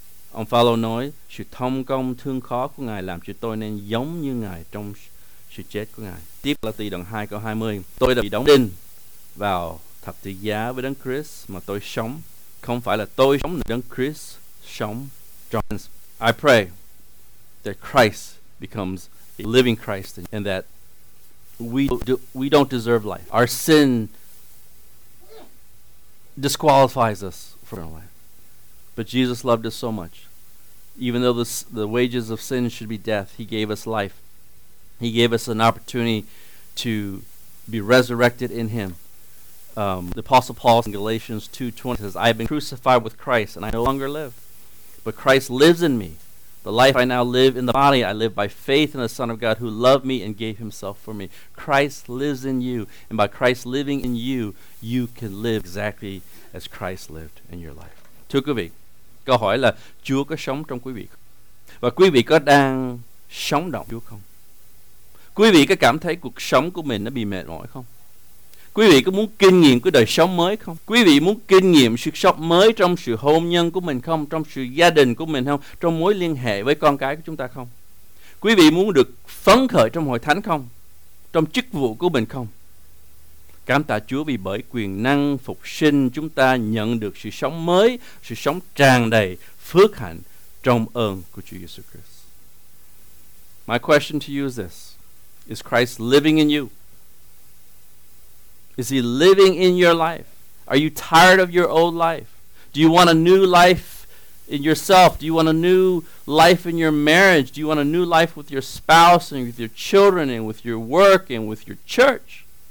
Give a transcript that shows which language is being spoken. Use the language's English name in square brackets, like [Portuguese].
[Vietnamese] Ông Phaolô nói: sự thông công thương khó của Ngài làm cho tôi nên giống như Ngài trong sự chết của Ngài. Tiếp là từ đoạn 2 câu 20: tôi đã bị đóng đinh vào thập tự giá với Đấng Christ mà tôi sống. Không phải là tôi sống, Đấng Christ sống trong. [English] I pray that Christ becomes a living Christ and that we don't deserve life. Our sin disqualifies us from eternal life. But Jesus loved us so much. Even though the wages of sin should be death, he gave us life. He gave us an opportunity to be resurrected in him. The Apostle Paul in Galatians 2:20 says, I have been crucified with Christ and I no longer live, but Christ lives in me. The life I now live in the body, I live by faith in the Son of God who loved me and gave himself for me. Christ lives in you, and by Christ living in you, you can live exactly as Christ lived in your life. [Vietnamese] Thưa quý vị, câu hỏi là Chúa có sống trong quý vị không? Và quý vị có đang sống động Chúa không? Quý vị có cảm thấy cuộc sống của mình nó bị mệt mỏi không? Quý vị có muốn kinh nghiệm cái đời sống mới không? Quý vị muốn kinh nghiệm sự sống mới trong sự hôn nhân của mình không? Trong sự gia đình của mình không? Trong mối liên hệ với con cái của chúng ta không? Quý vị muốn được phấn khởi trong hội thánh không? Trong chức vụ của mình không? Cảm tạ Chúa vì bởi quyền năng phục sinh chúng ta nhận được sự sống mới, sự sống tràn đầy phước hạnh trong ơn của Chúa Jesus Christ. [English] My question to you is this: is Christ living in you? Is he living in your life? Are you tired of your old life? Do you want a new life in yourself? Do you want a new life in your marriage? Do you want a new life with your spouse and with your children and with your work and with your church?